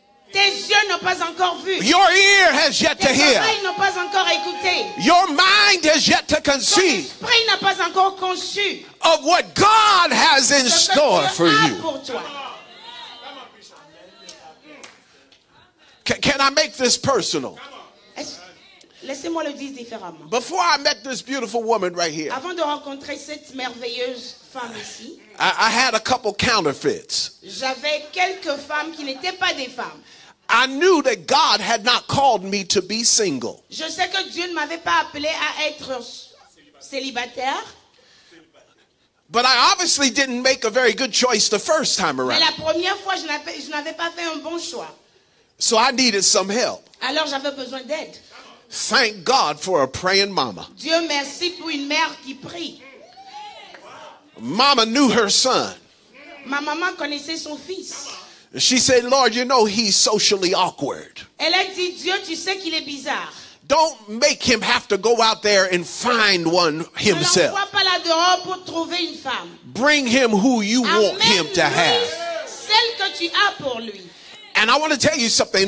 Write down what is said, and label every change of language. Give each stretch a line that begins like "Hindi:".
French: Tes yeux n'ont pas encore vu.
English: Your ear has yet
French: tes
English: to hear.
French: Oreilles n'ont pas encore écouté.
English: Your mind has yet to conceive.
French: Ton esprit n'a pas encore conçu.
English: Of what God has in store for you.
French: Pour toi.
English: Can I make this personal?
French: Laissez-moi le dire différemment.
English: Before I met this beautiful woman right here,
French: avant de rencontrer cette merveilleuse femme ici,
English: I had a couple counterfeits.
French: J'avais quelques femmes qui n'étaient pas des femmes.
English: I knew that God had not called me to be single.
French: Je sais que Dieu ne m'avait pas appelé à être célibataire.
English: But I obviously didn't make a very good choice the first time around.
French: Mais la première fois, je n'avais pas fait un bon choix.
English: So I needed some help.
French: Alors j'avais besoin d'aide.
English: Thank God for a praying mama.
French: Dieu merci pour une mère qui prie.
English: Mama knew her son.
French: Ma maman connaissait son fils.
English: She said, "Lord, you know he's socially awkward."
French: Elle a dit, Dieu, tu sais qu'il est bizarre.
English: Don't make him have to go out there and find one himself.
French: Ne l'envoie pas là-dehors pour trouver une femme.
English: Bring him who you want him to have.
French: Celle que tu as pour lui.
English: And I want to tell you something.